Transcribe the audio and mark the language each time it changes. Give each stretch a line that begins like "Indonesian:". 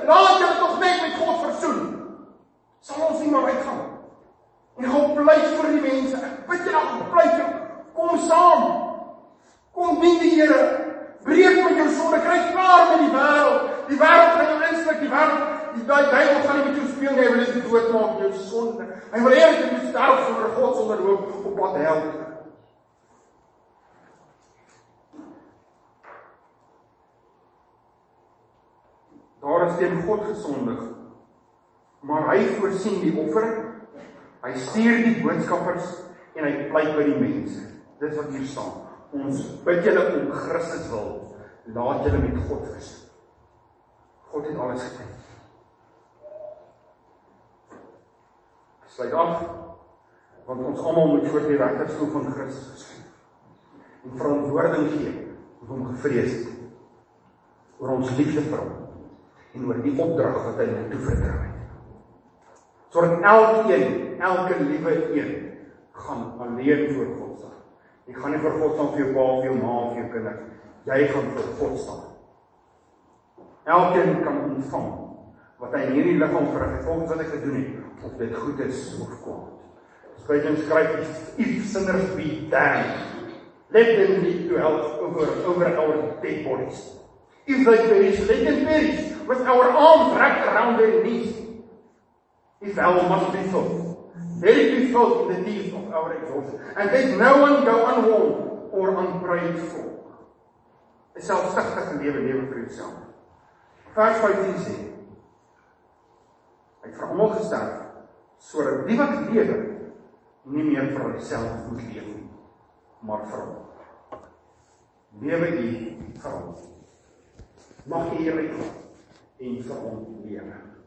Afrikaans: Laat julle tog net met God versoen. Sal ons nie maar uitgaan. En gaan pleit vir die mense. Ek bid julle, gaan pleit julle. Kom saam. Kom dien die Here. Breek met jou sonde. Kry klaar met die wêreld. Die wêreld gaan jou insluk. Die wêreld, die duivel gaan nie met jou speel nie. Hy wil jou doodmaak in jou sonde. Hy wil hê jy moet sterf sonder God, sonder hoop op pad hel. Daar is teen God gesondig, maar hy voorsien die offer, hy stuur die boodskappers, en hy pleit by die mense. Dit is wat hier staan. Ons bid julle om Christus wil, laat julle met God versoen. God het alles gedoen. Sluit af, want ons allemaal moet voor die regterstoel van Christus en verantwoording gee, of om gevrees het, oor ons liefde vir hom, en oor die opdrag wat hy toe vertrou het. Sodat elke liewe een, gaan alleen voor God staan. Jy gaan nie voor God staan vir jou pa, vir jou ma, vir jou kinders. Jy gaan voor God staan. Elkeen kan ontvang, wat hy in hierdie liggaam vir volgens wat ek gedoen het, of dit goed is of kwaad. Spuit en skryf,
English: if sinners be damned, let them be to help over our dead bodies. If they perish, let them perish, with our arms wrapped around their knees. If hell must be filled, let it be filled in the teeth of our exhaust. And let no one go unwarned or unprayed for.
Afrikaans: A selfsugtige lewe, lewe vir jouself. Vers 15 sê, hy het vir almal gesterf, sodat die wat lewe, nie meer vir homself moet lewe, maar vir hom. lewe die vir hom. Mag die Here hom en vir hom lewe.